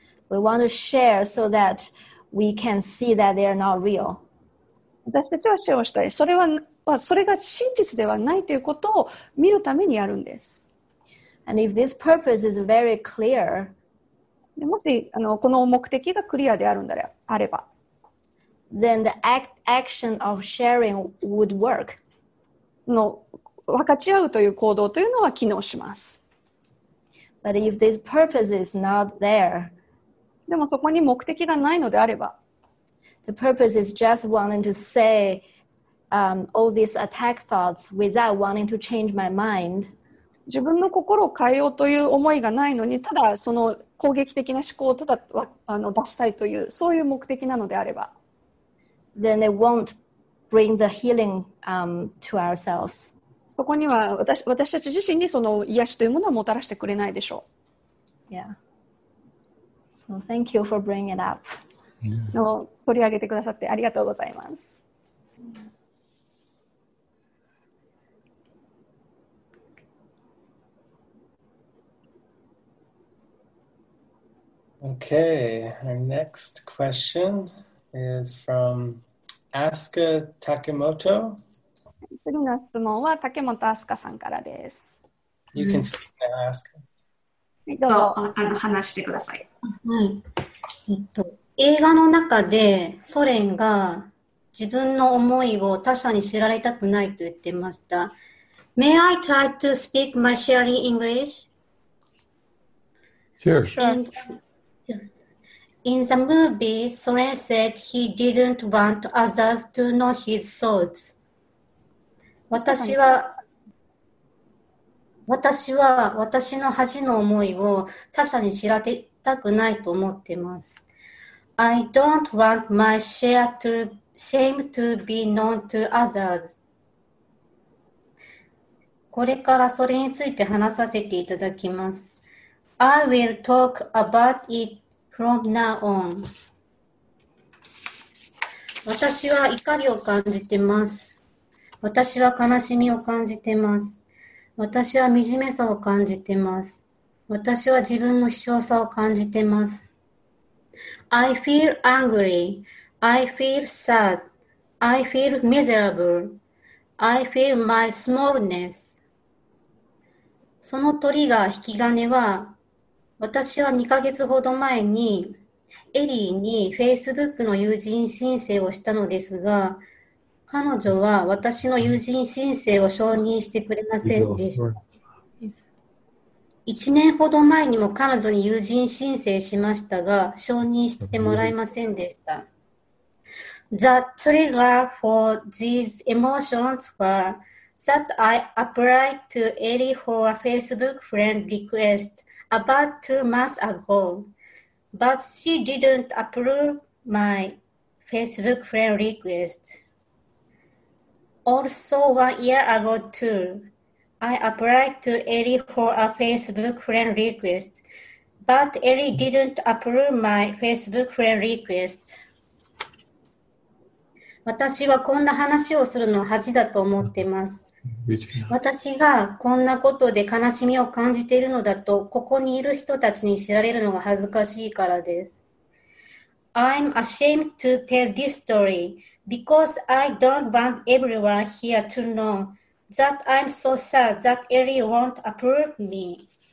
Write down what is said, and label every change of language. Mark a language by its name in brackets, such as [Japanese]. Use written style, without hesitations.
[English] We want to share so that we can see that they are not real. [Japanese] 私たちはシェアをしたい。それははそれが真実ではないということを見るためにやるんです。 [English] And if this purpose is very clear, [Japanese] もしこの目的がクリアであるんだあれば、 [English] then the action of sharing would work. [Japanese] の分かち合うという行動というのは機能します。 [English] But if this purpose is not there, [Japanese] でもそこに目的がないのであれば、 [English] the purpose is just wanting to say, all these attack thoughts without wanting to change my mind. [Japanese] 自分の心を変えようという思いがないのに、ただその攻撃的な思考をただ出したいというそういう目的なのであれば、 [English] then it won't bring the healing, to ourselves. [Japanese] そこには私たち自身にその癒しというものをもたらしてくれないでしょう。 [English] Yeah. So thank you for bringing it up. [Japanese] の取り上げてくださってありがとうございます。 [English] Okay, our next question is from Asuka Takemoto. [Japanese] 次の質問は竹本アスカさんからです。 [English] You can speak now, Asuka. [Japanese] どうぞ話してください。はい、映画の中でソ連が自分の思いを他者に知られたくないと言ってました。 [English] May I try to speak my sharing English? Sure. In the movie, Soren said he didn't want others to know his thoughts. [Japanese] 私の恥の思いを他者に知られたくないと思ってます。 [English] I don't want my shame to be known to others. [Japanese] これからそれについて話させていただきます。 [English] I will talk about it from now on. [Japanese] 私は怒りを感じてます。私は悲しみを感じてます。私は惨めさを感じてます。私は自分の卑小さを感じてます。 [English] I feel angry. I feel sad. I feel miserable. I feel my smallness. [Japanese] そのトリガー引き金は、私は2ヶ月ほど前にエリーに Facebook の友人申請をしたのですが、彼女は私の友人申請を承認してくれませんでした。 1年ほど前にも彼女に友人申請しましたが、承認してもらえませんでした。 [English] The trigger for these emotions were that I applied to Ellie for a Facebook friend request about 2 months ago, but she didn't approve my Facebook friend request. Also 1 year ago too,I applied to Ellie for a Facebook friend request, but Ellie didn't approve my Facebook friend request. [Japanese] 私はこんな話をするのは恥だと思っています。私がこんなことで悲しみを感じているのだと、ここにいる人たちに知られるのが恥ずかしいからです。 [English] I'm ashamed to tell this story because I don't want everyone here to know. That I'm so sad that Ellie won't approve me.